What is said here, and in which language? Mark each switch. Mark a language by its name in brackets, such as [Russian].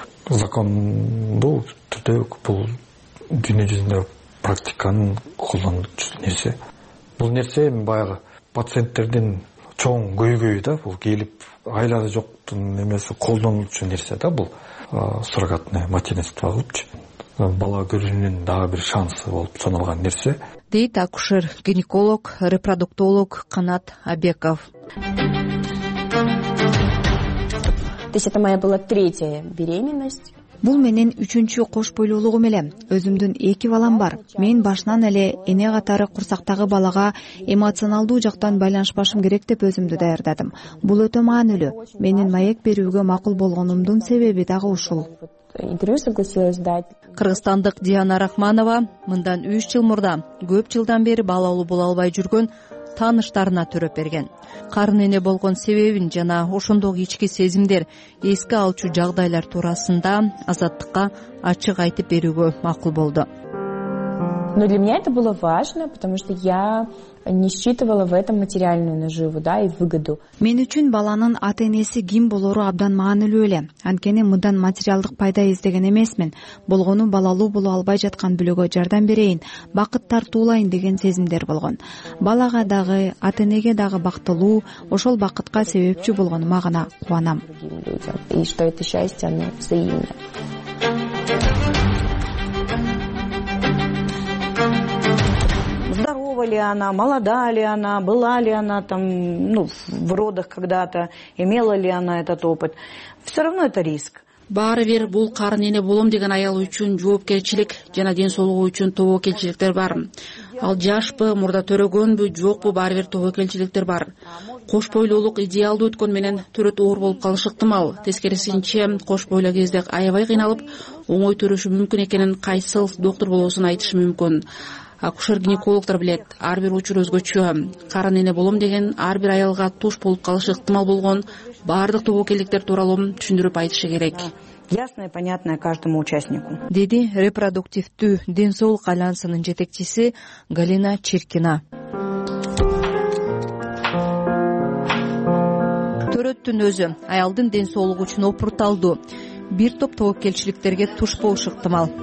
[Kyrgyz] Закондуу түрдө бул дүйнө жүзүндө практиканын колдончу нерсе. Бул нерсе эми баягы пациенттердин чоң көйгөйү да, бул келип айлада жоктун эмеси колдонулчу нерсе да бул суррогатный материнство алыпчы. Бала көрүүнүн дагы бир шансы болуп саналган нерсе. Дейт акушер, гинеколог, репродуктолог Канат Абеков. [Russian] То есть это моя была третья беременность. [Kyrgyz] Бул менен үчүнчү кош бойлуулугум эле. Өзүмдүн 2 балам бар. Мен башынан эле эне катары курсактагы балага эмоционалдуу жактан байланышпашым керек деп өзүмдү даярдадым. Бул өтө маанилүү. Менин маек берүүгө макул болгонумдун себеби дагы ушул. [Russian] Интервью согласилась дать. [Kyrgyz] Кыргызстандык Диана Рахманова мындан 3 жыл мурда көп жылдан бери балалуу боло албай жүргөн тааныштарына төрөп берген. Карын эне болгон себебин жана ошондогу ички сезимдер, эске алчу жагдайлар туурасында азаттыкка ачык айтып берүүгө макул болду. [Russian] Но для меня это было важно, потому что я не считывала в этом материальную наживу, да, и выгоду. [Kyrgyz] Мен үчүн баланын ата-энеси ким болору абдан маанилүү эле. Анткени мындан материалдык пайда издеген эмесмин. Болгону балалуу боло албай жаткан бүлөгө жардам берейин, бакыт тартуулайын деген сезимдер болгон. Балага дагы, ата-энеге дагы бактылуу, ошол бакытка себепчи болгон магына кубанам. [Russian] И что это счастье, оно взаимно. Здорова ли она, молода ли она, была ли она там, ну, в родах когда-то, имела ли она этот опыт. Все равно это риск. [Kyrgyz] Баарыбир бул карын эне болом деген аял үчүн жоопкерчилик жана ден соолугу үчүн тобокелчиликтер бар. Ал жашпы, мурда төрөгөнбү, жокпу, баарыбир тобокелчиликтер бар. Кош бойлуулук идеалды өткөн менен төрөт оор болуп калышы ыктымал. Тескерисинче, кош бойло кезде аябай кыйналып, оңой төрөшү мүмкүн экенин кайсыл доктур болосун айтышы мүмкүн. Акушер-гинекологдор билет, ар бир учур өзгөчө. Карын эне болом деген ар бир аялга туш болуп калышы ыктымал болгон баардык тобокелдиктер тууралуу түшүндүрүп айтышы керек. [Russian] Ясно и понятно каждому участнику. [Kyrgyz] Деди репродуктивдүү ден соолук альянсынын жетекчиси Галина Чиркина. Төрөттүн өзү аялдын ден соолугу үчүн опурталдуу. Бир топ тобокелчиликтерге туш болуш ыктымал.